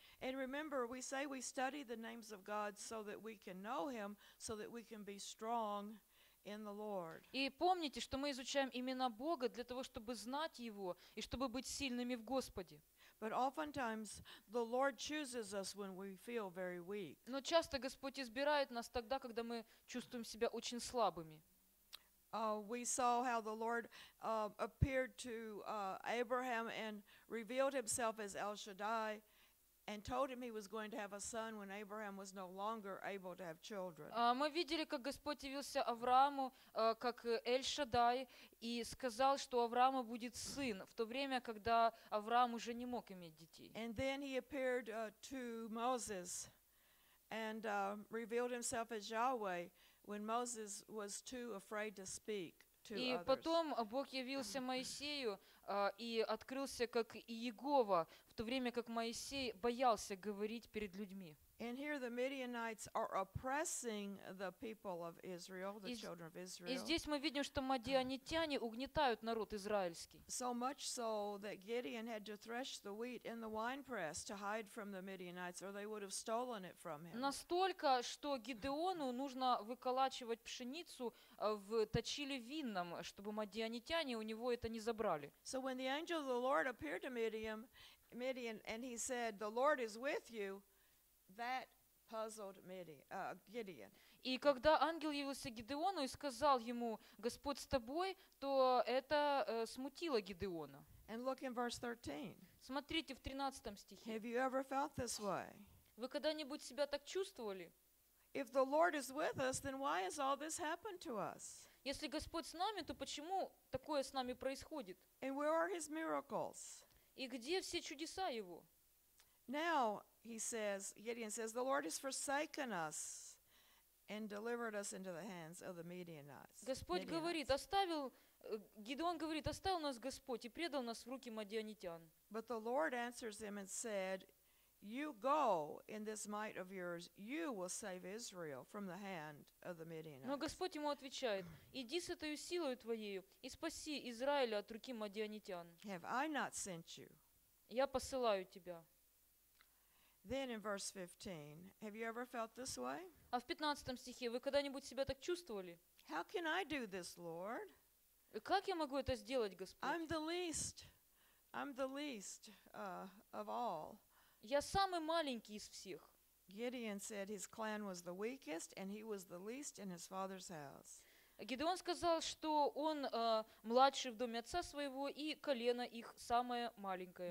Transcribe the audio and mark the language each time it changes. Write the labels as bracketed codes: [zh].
[en] And remember, we say we study the names of God so that we can know Him, so that we can be strong in the Lord. [ru] И помните, что мы изучаем имена Бога для того, чтобы знать Его и чтобы быть сильными в Господе. [en] But oftentimes the Lord chooses us when we feel very weak. [ru] Но часто Господь избирает нас тогда, когда мы чувствуем себя очень слабыми. [en] We saw how the Lord appeared to Abraham and revealed Himself as El Shaddai and told him He was going to have a son when Abraham was no longer able to have children. [ru] Мы видели, как Господь явился Аврааму как Эль-Шадай и сказал, что у Авраама будет сын в то время, когда Авраам уже не мог иметь детей. [en] And then He appeared to Moses and revealed Himself as Yahweh. When Moses was too afraid to speak to others. [ru] И потом Бог явился Моисею и открылся как Иегова, в то время как Моисей боялся говорить перед людьми. [en] And here the Midianites are oppressing the people of Israel, the children of Israel. [ru] И здесь мы видим, что мадианитяне угнетают народ израильский. [en] So much so that Gideon had to thresh the wheat in the winepress to hide from the Midianites, or they would have stolen it from him. [ru] Настолько, что Гидеону нужно выколачивать пшеницу в точиле винном, чтобы мадианитяне у него это не забрали. [en] So when the angel of the Lord appeared to Midian, and he said, "The Lord is with you," that puzzled Gideon. [ru] И когда ангел явился Гидеону и сказал ему: "Господь с тобой", то это смутило Гидеона. [en] And look in verse 13. [ru] Смотрите в 13 стихе. [en] Have you ever felt this way? [ru] Вы когда-нибудь себя так чувствовали? [en] If the Lord is with us, then why has all this happened to us? [ru] Если Господь с нами, то почему такое с нами происходит? [en] And where are His miracles? [ru] И где все чудеса Его? [en] Now He says, Gideon says, "The Lord has forsaken us and delivered us into the hands of the Midianites." [ru] Господь говорит, оставил Гидеон говорит, оставил нас Господь и предал нас в руки мадианитян. [en] But the Lord answers him and said, "You go in this might of yours, you will save Israel from the hand of the Midianites." [ru] Но Господь ему отвечает: "Иди с этой силой твоей и спаси Израиля от руки мадианитян." [en] Have I not sent you? [ru] Я посылаю тебя. [en] Then in verse 15, have you ever felt this way? [ru] А в 15 стихе вы когда-нибудь себя так чувствовали? [en] How can I do this, Lord? [ru] Как я могу это сделать, Господь? [en] I'm the least of all. [ru] Я самый маленький из всех. [en] Gideon said his clan was the weakest and he was the least in his father's house. [ru] Гедеон сказал, что он младший в доме отца своего, и колено их самое маленькое.